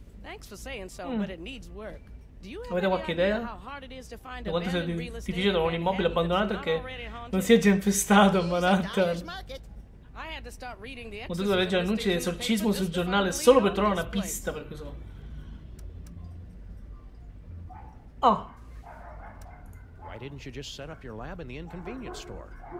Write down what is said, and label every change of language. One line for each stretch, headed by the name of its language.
English: Thanks for saying so, but it needs work.
Italian: Avete qualche idea di quanto sia difficile trovare un immobile abbandonato che non sia già infestato a Manhattan? Ho dovuto leggere annunci di esorcismo sul giornale solo per trovare una pista per questo. Oh!
English: Why didn't you just set up your lab in the inconvenience store?